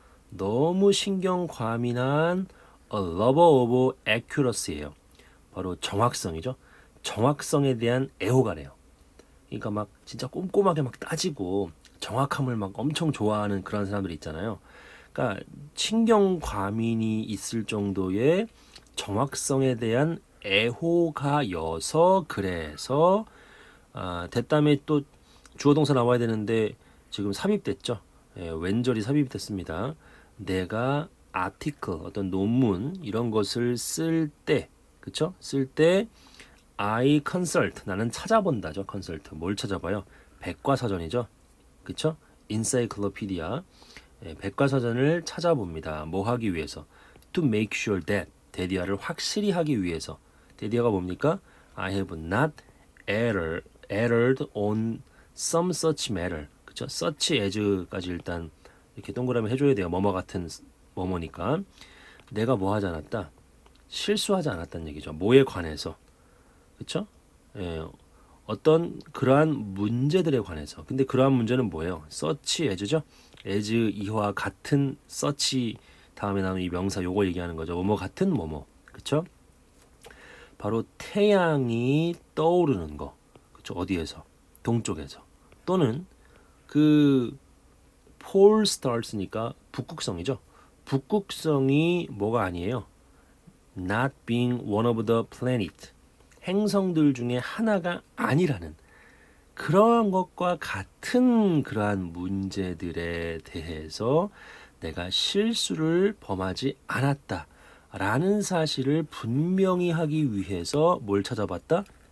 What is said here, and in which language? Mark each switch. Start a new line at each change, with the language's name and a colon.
Korean: 너무 신경과민한
English: a lover of accuracy예요.
Korean: 바로 정확성이죠. 정확성에 대한 애호가래요. 그러니까 막 진짜 꼼꼼하게 막 따지고, 정확함을 막 엄청 좋아하는 그런 사람들이 있잖아요. 그러니까 신경과민이 있을 정도의 정확성에 대한 애호가여서 그래서 됐다면 또 주어동사 나와야 되는데 지금 삽입됐죠? 예, 왼절이 삽입됐습니다. 내가 article 어떤 논문 이런 것을 쓸 때, 그쵸? 쓸때
English: I consult
Korean: 나는 찾아본다죠. consult 뭘 찾아봐요? 백과사전이죠. 그쵸? encyclopedia. 예, 백과사전을 찾아봅니다. 뭐 하기 위해서?
English: To make sure that.
Korean: 대디아를 확실히 하기 위해서. 대디아가 뭡니까?
English: I have not errored on some such matter.
Korean: 그쵸? Such as까지 일단 이렇게 동그라미 해줘야 돼요. 뭐뭐 같은 뭐뭐니까. 내가 뭐 하지 않았다? 실수하지 않았다는 얘기죠. 뭐에 관해서? 그쵸? 예, 어떤 그러한 문제들에 관해서. 근데 그러한 문제는 뭐예요?
English: Such as죠?
Korean: as 이와 같은 such 다음에 나오는 이 명사 요거 얘기하는 거죠. 뭐뭐 같은 뭐뭐. 그쵸? 바로 태양이 떠오르는 거. 그쵸? 어디에서? 동쪽에서. 또는 그 pole stars니까 북극성이죠. 북극성이 뭐가 아니에요?
English: not being one of the planet.
Korean: 행성들 중에 하나가 아니라는 그러한 것과 같은 그러한 문제들에 대해서 내가 실수를 범하지 않았다라는 사실을 분명히 하기 위해서 뭘 찾아봤다?